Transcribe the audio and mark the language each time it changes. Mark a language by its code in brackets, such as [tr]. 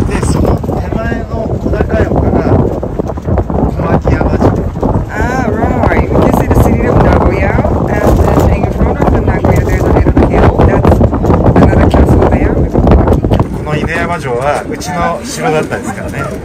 [ja] で、その手前の小高い丘が小牧山城。 [en] Ah, right. You can see the city of Nagoya, and in front of the Nagoya, there's a little hill. That's another castle there. [ja] この犬山城はうちの城だったんですからね。